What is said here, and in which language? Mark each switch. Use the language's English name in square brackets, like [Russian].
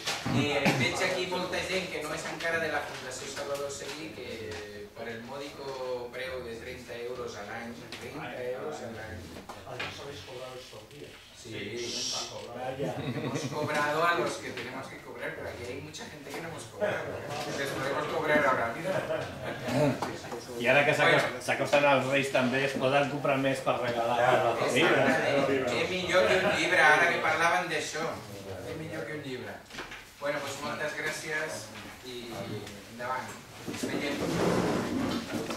[Catalan] I veig aquí molta gent que no és encara de la Fundació Salvador Seguí, que per el mòdico preu de 30 euros a l'any, 30 euros a l'any... Ja sabeu cobrar els sortides. [Spanish] Sí, hemos cobrado a los que tenemos que cobrar, pero aquí hay mucha gente que no hemos cobrado. Les podemos cobrar ahora. [Catalan] I ara que s'acosten els Reis també es poden comprar més per regalar els llibres. Que millor que un llibre, ara que parlaven d'això. Que millor que un llibre. Bueno, doncs moltes gràcies i endavant. Ens veiem.